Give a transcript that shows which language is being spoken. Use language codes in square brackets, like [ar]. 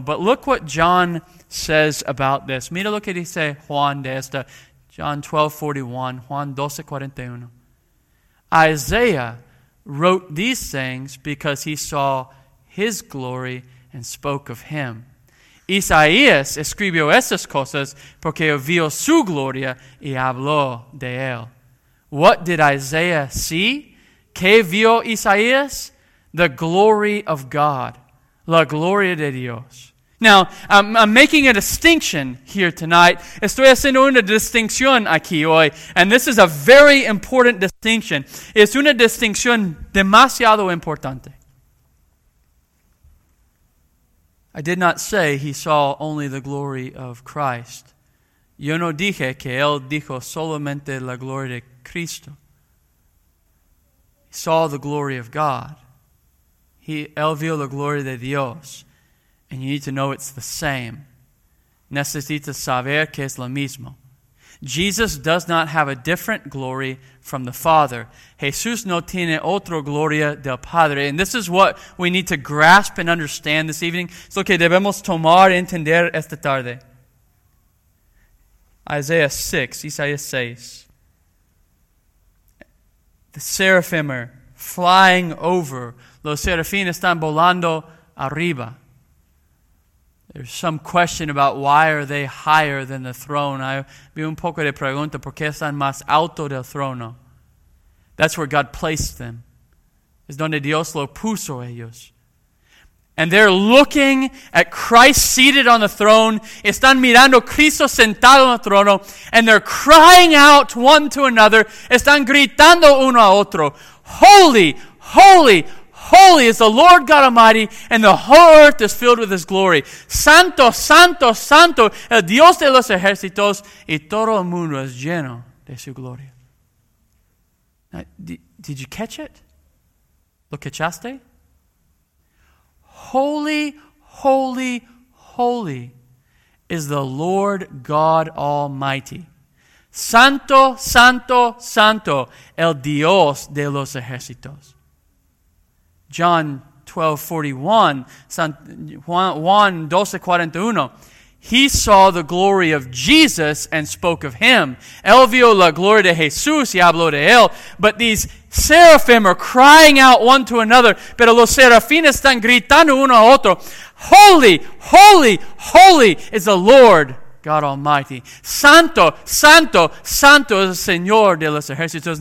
[en] But look what John says about this. [es] Mira lo que dice Juan de esta. [en] John 12:41, Juan 12:41. Isaiah wrote these things because he saw his glory and spoke of him. [es] Isaías escribió esas cosas porque vio su gloria y habló de él. [en] What did Isaiah see? [es] ¿Qué vio Isaías? [en] The glory of God. [es] La gloria de Dios. [en] Now, I'm making a distinction here tonight. [es] Estoy haciendo una distinción aquí hoy. [en] And this is a very important distinction. [es] Es una distinción demasiado importante. [en] I did not say he saw only the glory of Christ. [es] Yo no dije que él dijo solamente la gloria de Cristo. [en] He saw the glory of God. [es] Él vio la gloria de Dios. [en] And you need to know it's the same. [es] Necesitas saber que es lo mismo. [en] Jesus does not have a different glory from the Father. [es] Jesús no tiene otra gloria del Padre. [en] And this is what we need to grasp and understand this evening. [es] Es lo que debemos tomar y entender esta tarde. [en] Isaiah 6, Isaías 6. The seraphim are flying over [es] los serafines están volando arriba. [en] There's some question about why are they higher than the throne. [es] I vi un poco de pregunta, ¿por qué están más alto del trono? [en] That's where God placed them. [es] Es donde Dios lo puso ellos. [en] And they're looking at Christ seated on the throne. [es] Están mirando Cristo sentado en el trono. [en] And they're crying out one to another. [es] Están gritando uno a otro. [en] Holy, holy, holy is the Lord God Almighty, and the whole earth is filled with His glory. [es] Santo, santo, santo, el Dios de los ejércitos, y todo el mundo es lleno de su gloria. [en] Now, did you catch it? [es] ¿Lo cachaste? [en] Holy, holy, holy is the Lord God Almighty. [es] Santo, santo, santo, el Dios de los ejércitos. [en] John 12:41, he saw the glory of Jesus and spoke of him. [es] Él vio la gloria de Jesús y habló de él. [en] But these seraphim are crying out one to another. [es] Pero los serafines están gritando uno a otro. [en] Holy, holy, holy is the Lord God Almighty. [es] Santo, santo, santo es el Señor de los ejércitos.